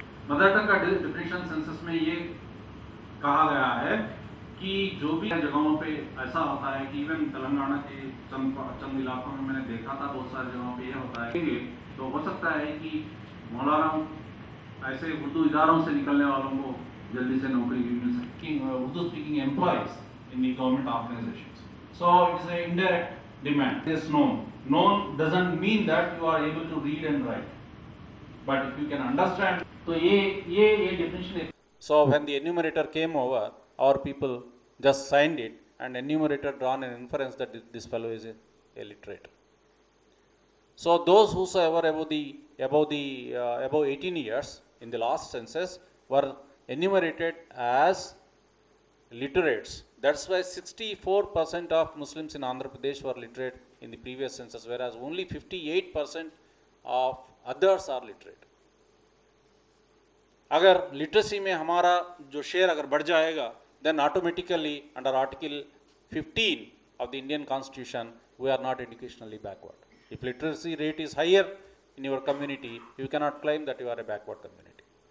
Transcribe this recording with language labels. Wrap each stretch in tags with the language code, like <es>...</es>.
<hi>Mother tongue का definition census में ये कहा गया है कि जो भी जगहों पे ऐसा होता है कि इवन तेलंगाना के चंद इलाकों में मैंने देखा था बहुत सारे जगहों पे ये होता है, तो हो सकता है कि मौलाना ऐसे उर्दू इदारों से निकलने वालों को जल्दी से नौकरी भी मिल सकती है,</hi> <en>Urdu speaking employees in the government organisations. So it's an indirect demand, it's known. Known doesn't mean that you are able to read and write, but if you can understand.</en> <hi>तो ये definition.</hi> <en>So when the enumerator came over, our people just signed it and enumerator drawn an inference that this fellow is illiterate. So those whosoever above 18 years in the last census were enumerated as literates. That's why 64% of Muslims in Andhra Pradesh were literate in the previous census, whereas only 58% of others are literate.</en> <hi>अगर literacy में हमारा जो share अगर बढ़ जाएगा</hi> <en>Then automatically under article 15 of the Indian constitution we are not educationally backward. If literacy rate is higher in your community you can not claim that you are a backward community.</en>